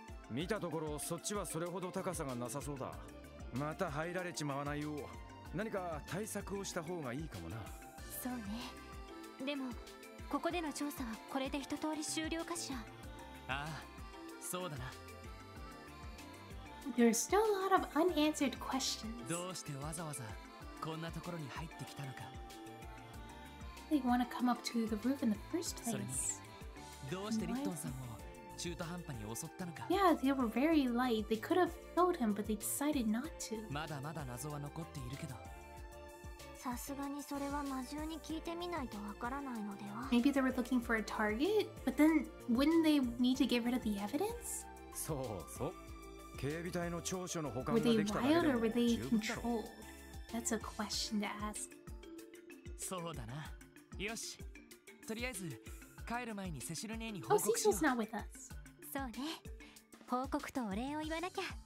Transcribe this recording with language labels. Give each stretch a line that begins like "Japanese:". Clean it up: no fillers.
Japanese: う。見たところ、そっちはそれほど高さがなさそうだ。また入られちまわないよう、何か対策をした方がいいかもな。そうね。でも、ここでの調査はこれで一通り終了かしら。ああ、そうだな。
English: There are still a lot of unanswered questions.
Japanese: どうしてわざわざこんなところに入ってきたのか。
English: They want to come up to the roof in the first place.
Japanese: それに、どうしてリットンさんを中途半端に襲ったのか。
English: Yeah, they were very light. They could have killed him, but they decided not to.
Japanese: まだまだ謎は残っているけど。さすがにそれは魔獣に聞いてみないとわからないのでは。
English: Maybe they were looking for a target, but then wouldn't they need to get rid of the evidence?
Japanese: そうそう。警備隊の調書の保管ができたらでも十分。
English: Were they wild or were they controlled? That's a question to ask.
Japanese: そうだな。よし。とりあえず帰る前にセシル姉に報告しよう。
English: Oh, Cecil's not with us.
Japanese: そうね。報告とお礼を言わなきゃ。